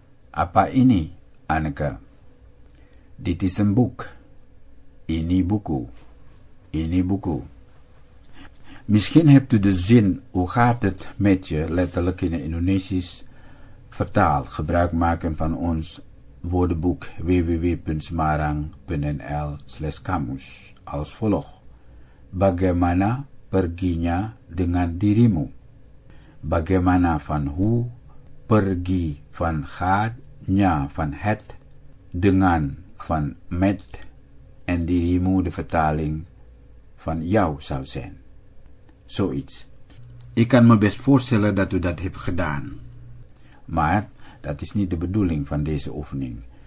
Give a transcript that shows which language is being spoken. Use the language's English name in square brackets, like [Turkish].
[Indonesian] Apa ini, Anneke? [Dutch] Dit is een boek. [Indonesian] Ini buku. Ini buku. [Dutch] Misschien hebt u de zin hoe gaat het met je letterlijk in het Indonesisch vertaald, gebruik maken van ons woordenboek www.semarang.nl/kamus als volgt. [Indonesian] Bagaimana perginya dengan dirimu? [Dutch] Bagaimana van hoe, pergi van gaat, nya van het, dengan van met en dirimu de vertaling van jou zou zijn. Zoiets. Ik kan me best voorstellen dat u dat hebt gedaan. Maar dat is niet de bedoeling van deze oefening.